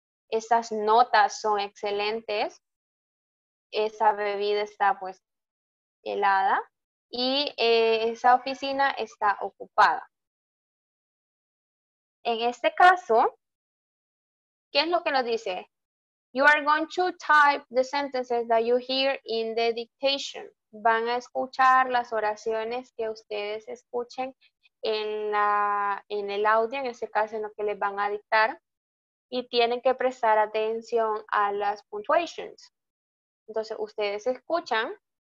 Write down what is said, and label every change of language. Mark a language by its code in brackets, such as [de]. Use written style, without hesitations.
[es] Esas notas son excelentes. Esa bebida está pues helada. Y esa oficina está ocupada. En este caso, ¿qué es lo que nos dice? [en] You are going to type the sentences that you hear in the dictation. [es] Van a escuchar las oraciones que ustedes escuchen en el audio, en este caso en lo que les van a dictar. Y tienen que prestar atención a las punctuations. Entonces, ustedes escuchan.